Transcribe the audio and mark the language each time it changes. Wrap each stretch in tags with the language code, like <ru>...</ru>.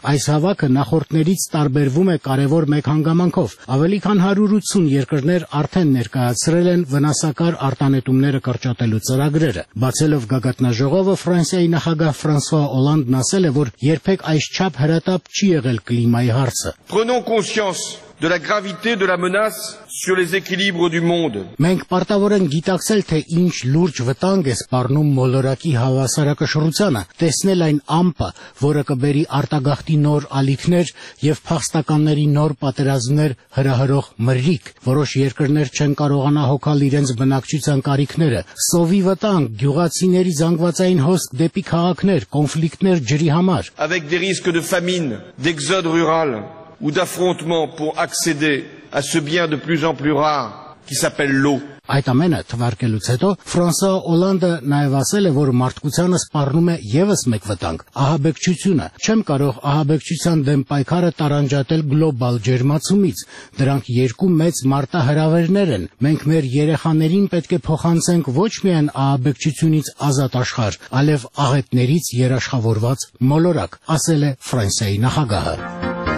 <hy>Այս հավաքը նախորդներից տարբերվում է կարևոր մեկ հանգամանքով. Ավելի քան 180 երկրներ արդեն ներկայացրել են վնասակար արտանետումները կրճատելու ծրագրերը։ Բացելով գագաթնաժողովը, Ֆրանսիայի նախագահ Ֆրանսուա Օլանդն ասել է, որ երբեք այսչափ հրատապ չի եղել կլիմայի հարցը։</hy> <fr>De la gravité de la menace sur les équilibres du monde.</fr> <hy>Մենք պարտավոր ենք գիտակցել, թե ինչ լուրջ վտանգ է սպառնում մոլորակի հավասարակշռությանը, տեսնել այն ամպը, որը կբերի արտագաղթի նոր ալիքներ եւ փախստականների նոր պատերազմներ հրահրող մրրիկ, որոշ երկրներ չեն կարողանա հոգալ իրենց բնակչության կարիքները, սովի վտանգ, գյուղացիների զանգվածային հոսք դեպի քաղաքներ, կոնֆլիկտներ ջրի համար.</hy> <fr>Avec des risques de famine, d'exode rural. Ou d'affrontement pour accéder à ce bien de plus en plus rare qui s'appelle l'eau.</fr> <hy>Այդ ամենը թվարկելուց հետո Ֆրանսուա Օլանդը նաև ասել է, որ մարդկությանը սպառնում է եւս մեկ վտանգ՝ ահաբեկչությունը։ Չեմ կարող ահաբեկչության դեմ պայքարը տարանջատել գլոբալ ջերմացումից։ Դրանք երկու մեծ մարտահրավերներ են։ Մենք մեր երեխաներին պետք է փոխանցենք ոչ միայն ահաբեկչությունից ազատ աշխարհ, այլև աղետներից երաշխավորված մոլորակ, ասել է Ֆրանսիայի նախագահը։</hy>